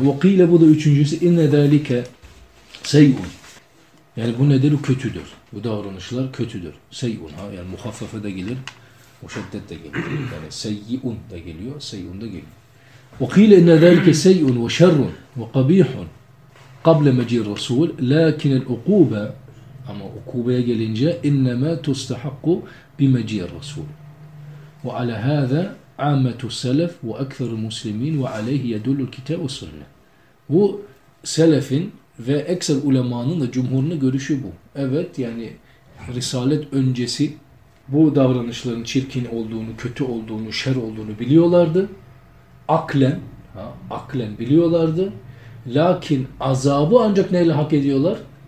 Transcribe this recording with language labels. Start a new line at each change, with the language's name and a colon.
Turkish: Vakıyla bu da üçüncüsü. İnne zâlike seyyun. Yani bu nedir? Kötüdür. Bu davranışlar kötüdür. Seyyun ha, yani muhaffefe de gelir, muşeddet de gelir. Yani seyyun da geliyor, seyyun da geliyor. Vakıyla inne zâlike seyyun ve şerrun ve kabihun.
Arabic: قبل مجيء الرسول لكن العقوبه اما عقوبه gelince انما تستحق بمجيء الرسول وعلى هذا عامه السلف واكثر المسلمين وعليه يدل الكتاب والسنه
Turkish: bu selefin ve ekser ulemanın da cumhurunun görüşü bu. Evet, yani risalet öncesi bu davranışların çirkin olduğunu, kötü olduğunu, şer olduğunu biliyorlardı. Aklen ha, aklen biliyorlardı. Lakin azabı ancak neyle hak ediyorlar?